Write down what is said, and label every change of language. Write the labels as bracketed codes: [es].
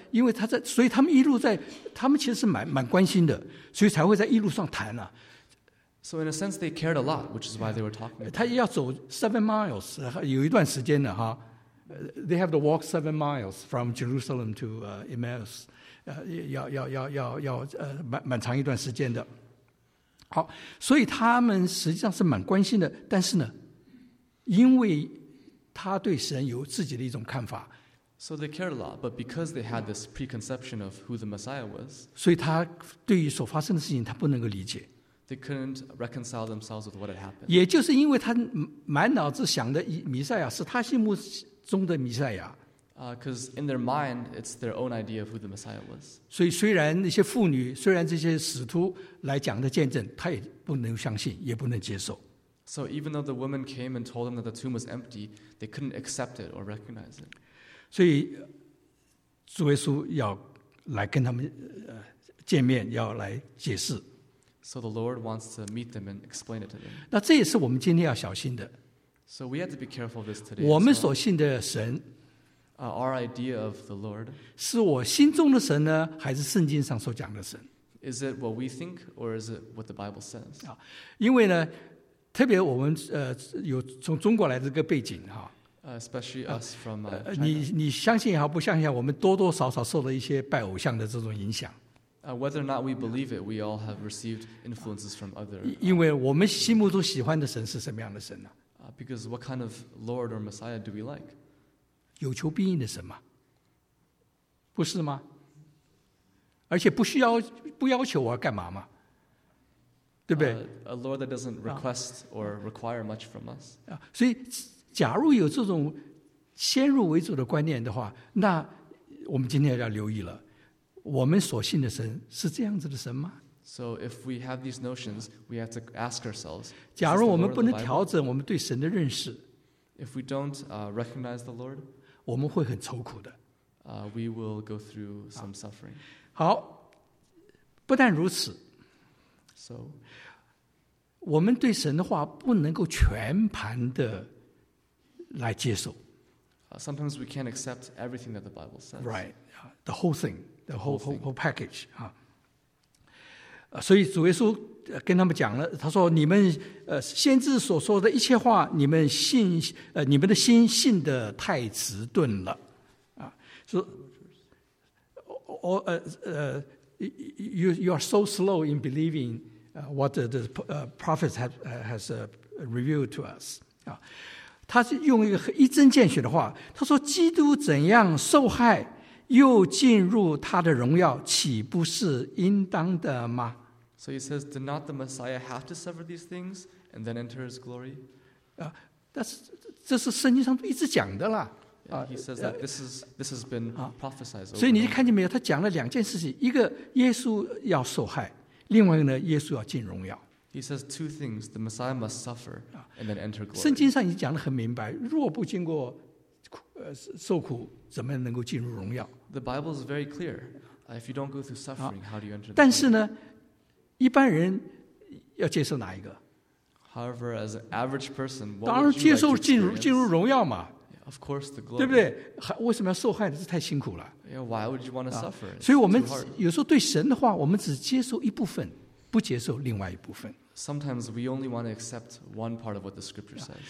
[zh] 因为他在，所以他们一路在，他们其实是蛮关心的，所以才会在一路上谈啊。 [en] So in a sense, they cared a lot, which is why they were talking. [zh] 他要走 7 miles， 有一段时间的哈。 [en] They have to walk 7 miles from Jerusalem to Emmaus. [zh] 要蛮长一段时间的。好，所以他们实际上是蛮关心的，但是呢，因为他对神有自己的一种看法。 [en] So they cared a lot, but because they had this preconception of who the Messiah was. [zh] 所以他对于所发生的事情，他不能够理解。 [en] They couldn't reconcile themselves with what had happened. [zh] 也就是因为他满脑子想的弥赛亚是他心目中的弥赛亚。 [en] Because in their mind, it's their own idea of who the Messiah was. [zh] 所以虽然那些妇女，虽然这些使徒来讲的见证，他也不能相信，也不能接受。 [en] So even though the women came and told them that the tomb was empty, they couldn't accept it or recognize it. [zh] 所以主耶稣要来跟他们见面，要来解释。 [en] So the Lord wants to meet them and explain it to them. [zh] 那这也是我们今天要小心的。 [en] So we have to be careful of this today. [zh] 我们所信的神 [en] ，our idea of the Lord， [zh] 是我心中的神呢，还是圣经上所讲的神 [en] ？Is it what we think or is it what the Bible says？ [zh] 因为呢，特别我们有从中国来的这个背景哈。 [en] Especially us from China. [zh] 你相信也好，不相信也好，我们多多少少受了一些拜偶像的这种影响。 [en] Whether or not we believe it, we all have received influences from other. [zh] 因为我们心目中喜欢的神是什么样的神呢？ [en] Because what kind of Lord or Messiah do we like? [zh] 有求必应的神吗？不是吗？而且不需要不要求我要干嘛吗？对不对？ [en] A Lord that doesn't request or require much from us. [zh] 所以，假如有这种先入为主的观念的话，那我们今天要留意了。我们所信的神是这样子的神吗？ [en] So if we have these notions, we have to ask ourselves. [zh] 假如我们不能调整我们对神的认识， [en] if we don't recognize the Lord, [zh] 我们会很愁苦的。 [en] We will go through some suffering. [zh] 好，不但如此， [en] so [zh] 我们对神的话不能够全盘的来接受。 [en] Sometimes we can't accept everything that the Bible says. Right, the whole thing. The whole package. [zh] 所以主耶稣跟他们讲了，他说你们先知所说的一切话，你们信你们的心信的太迟钝了。 [en] You are so slow in believing what the prophets has revealed to us. [zh] 他是用一个一针见血的话，他说基督怎样受害又进入他的荣耀，岂不是应当的吗？ [en] So he says, did not the Messiah have to suffer these things and then enter his glory? [zh] 但是这是圣经上一直讲的啦。 [en] He says that this has been prophesied over. [zh] 所以你看见没有，他讲了两件事情，一个耶稣要受害，另外一个呢，耶稣要进荣耀。 [en] He says two things, the Messiah must suffer and then enter glory. [zh] 圣经上已经讲得很明白，若不经过受苦，怎么能够进入荣耀。 [en] The Bible is very clear. If you don't go through suffering, how do you enter the glory? [zh] 但是呢，一般人要接受哪一个？ [en] However, as an average person, what [zh] 当然接受进入荣耀嘛。 [en] Of course, the glory. [zh] 对不对？为什么要受害呢？这太辛苦了。 [en] Yeah, why would you want to suffer? [zh] 所以我们有时候对神的话，我们只接受一部分，不接受另外一部分。 [en] Sometimes we only want to accept one part of what the scripture says.